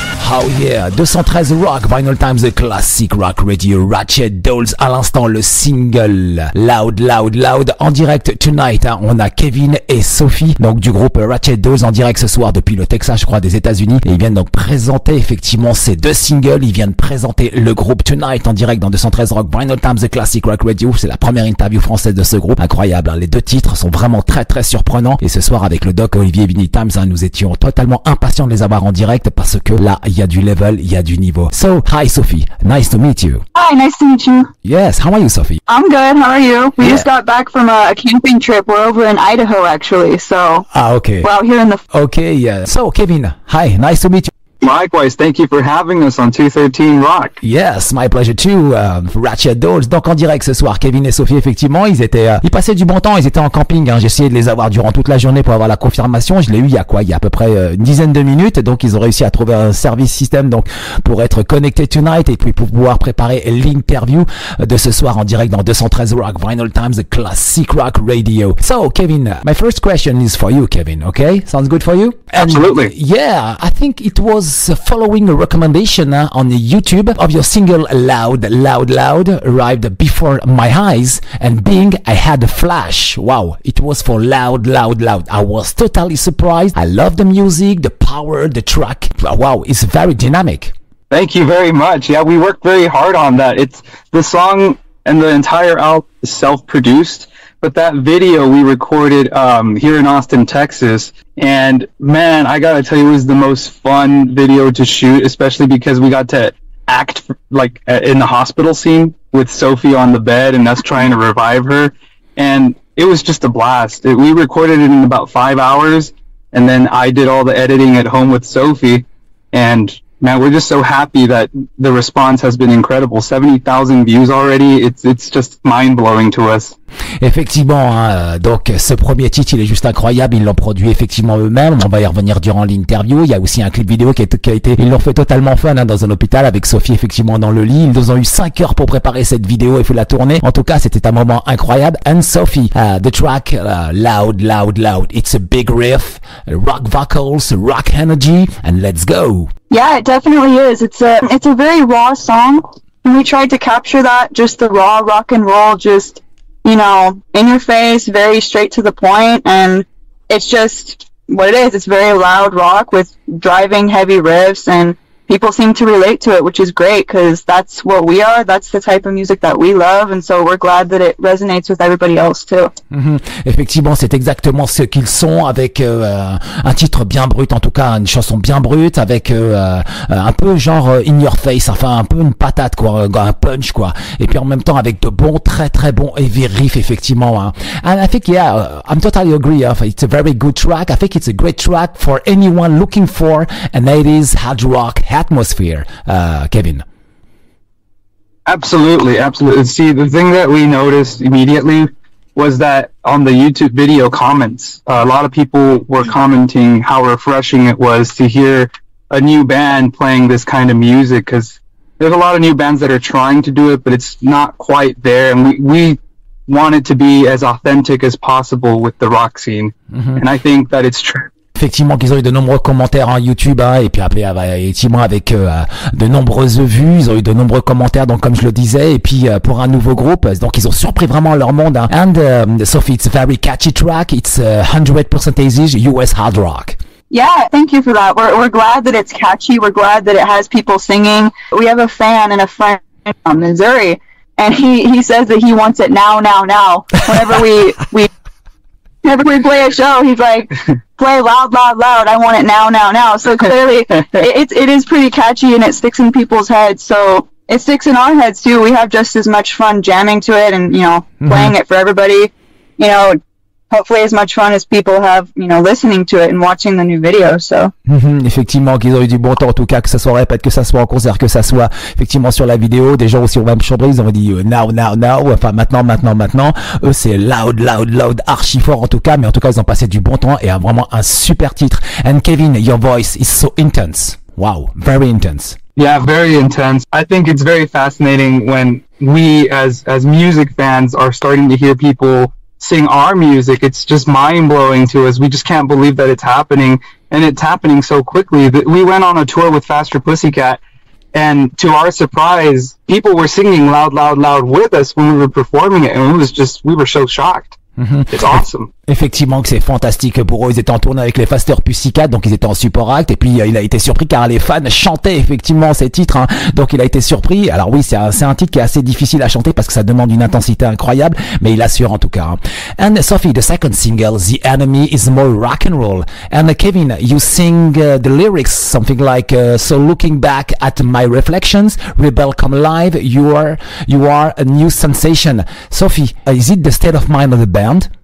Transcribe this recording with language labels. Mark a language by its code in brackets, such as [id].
[fr] How Yeah, 213 Rock, Vinyl Times, The Classic Rock Radio, Ratchet Dolls, à l'instant le single Loud, Loud, Loud, en direct tonight, hein, on a Kevin et Sophie, donc du groupe Ratchet Dolls, en direct ce soir depuis le Texas, je crois, des États-Unis, et ils viennent donc présenter effectivement ces deux singles, ils viennent présenter le groupe tonight en direct dans 213 Rock, Vinyl Times, The Classic Rock Radio, c'est la première interview française de ce groupe, incroyable, hein. Les deux titres sont vraiment très très surprenants, et ce soir avec le doc Olivier Vinylestimes, hein, nous étions totalement impatients de les avoir en direct, parce que là, il y a du level, il y a du niveau. [en] So, hi Sophie, nice to meet you. Hi, nice to meet you. Yes, how are you, Sophie? I'm good, how are you? We just got back from a camping trip. We're over in Idaho, actually, so... Ah, okay. We're out here in the... Okay, yeah. So, Kevin, hi, nice to meet you. Likewise, thank you for having us on 213 Rock. Yes, my pleasure too, Ratchet Dolls. [fr] Donc en direct ce soir, Kevin et Sophie, effectivement, ils étaient, ils passaient du bon temps, ils étaient en camping, hein. J'ai essayé de les avoir durant toute la journée pour avoir la confirmation. Je l'ai eu il y a quoi? Il y a à peu près une dizaine de minutes. Donc ils ont réussi à trouver un service système, donc, pour être connectés tonight et puis pour pouvoir préparer l'interview de ce soir en direct dans 213 Rock, Vinyl Times, the Classic Rock Radio. [en] So, Kevin, my first question is for you, Kevin, okay? Sounds good for you? And absolutely. Yeah, I think it was following a recommendation on YouTube of your single Loud, Loud, Loud, arrived before my eyes, and bing, I had a flash. Wow, it was for Loud, Loud, Loud. I was totally surprised. I love the music, the power, the track. Wow, it's very dynamic. Thank you very much. Yeah, we worked very hard on that. It's the song and the entire album is self-produced. But that video we recorded here in Austin, Texas, and man, I gotta tell you, it was the most fun video to shoot, especially because we got to act like in the hospital scene with Sophie on the bed and us trying to revive her. And it was just a blast. We recorded it in about 5 hours, and then I did all the editing at home with Sophie. And man, we're just so happy that the response has been incredible. 70,000 views already. It's just mind-blowing to us. [fr] Effectivement, hein, donc ce premier titre il est juste incroyable, ils l'ont produit effectivement eux-mêmes, on va y revenir durant l'interview. Il y a aussi un clip vidéo qui a été, ils l'ont fait totalement fun, hein, dans un hôpital avec Sophie effectivement dans le lit. Ils ont eu 5 heures pour préparer cette vidéo et faire la tournée. En tout cas, c'était un moment incroyable. [en] And Sophie, the track Loud, Loud, Loud, it's a big riff, rock vocals, rock energy, and let's go. Yeah, it definitely is. It's a very raw song, and we tried to capture that, just the raw rock and roll, just, you know, in your face, very straight to the point, and it's just what it is. It's very loud rock with driving heavy riffs, and people seem to relate to it, which is great, because that's what we are. That's the type of music that we love, and so we're glad that it resonates with everybody else too. Mm-hmm. [fr] Effectivement, c'est exactement ce qu'ils sont, avec un titre bien brut, en tout cas une chanson bien brute, avec un peu genre [en] in your face, [fr] enfin un peu une patate quoi, un punch quoi, et puis en même temps avec de bons, très très bons heavy riffs effectivement. Hein. [en] And I think, yeah, I'm totally agree. It's a very good track. I think it's a great track for anyone looking for an 80s hard rock atmosphere, Kevin. Absolutely, absolutely. See, the thing that we noticed immediately was that on the YouTube video comments, a lot of people were commenting how refreshing it was to hear a new band playing this kind of music, because there's a lot of new bands that are trying to do it, but it's not quite there, and we want it to be as authentic as possible with the rock scene. Mm-hmm. And I think that it's true. [fr] Effectivement, qu'ils ont eu de nombreux commentaires en YouTube, hein, et puis après, effectivement, avec de nombreuses vues, ils ont eu de nombreux commentaires, donc comme je le disais, et puis pour un nouveau groupe, donc ils ont surpris vraiment leur monde. Hein. [en] And Sophie, it's a very catchy track, it's 100% US hard rock. Yeah, thank you for that. We're glad that it's catchy, we're glad that it has people singing. We have a fan and a friend from Missouri, and he says that he wants it now, now, now. Whenever we play a show, he's like, play loud, loud, loud. I want it now, now, now. So clearly, it is pretty catchy, and it sticks in people's heads. So it sticks in our heads too. We have just as much fun jamming to it and, you know, playing it for everybody. You know, hopefully as much fun as people have, you know, listening to it and watching the new video, so. [fr] Effectivement, qu'ils ont eu du bon temps, en tout cas, que ce soit répète, que ce soit en concert, que ce soit effectivement sur la vidéo. Des gens aussi au même chambre, ils ont dit [en] now, now, now, [fr] enfin maintenant, maintenant, maintenant. Eux, c'est loud, loud, loud, archi fort en tout cas, mais en tout cas, ils ont passé du bon temps et vraiment un super titre. [en] And Kevin, your voice is so intense. Wow, very intense. Yeah, very intense. I think it's very fascinating when we as music fans are starting to hear people sing our music. It's just mind-blowing to us. We just can't believe that it's happening. and it's happening so quickly. But we went on a tour with Faster Pussycat, and to our surprise, people were singing loud, loud, loud with us when we were performing it, and it was just, we were so shocked. Mm-hmm. It's awesome. [fr] Effectivement que c'est fantastique pour eux. Ils étaient en tournée avec les Faster Pussycat, donc ils étaient en support act. Et puis il a été surpris car les fans chantaient effectivement ces titres, hein. Donc il a été surpris. Alors oui, c'est un titre qui est assez difficile à chanter parce que ça demande une intensité incroyable, mais il assure en tout cas, hein. [en] And Sophie, the second single, The Enemy, is more rock and roll. And Kevin, you sing the lyrics something like so looking back at my reflections, rebel come alive, you are a new sensation. Sophie, is it the state of mind of the band?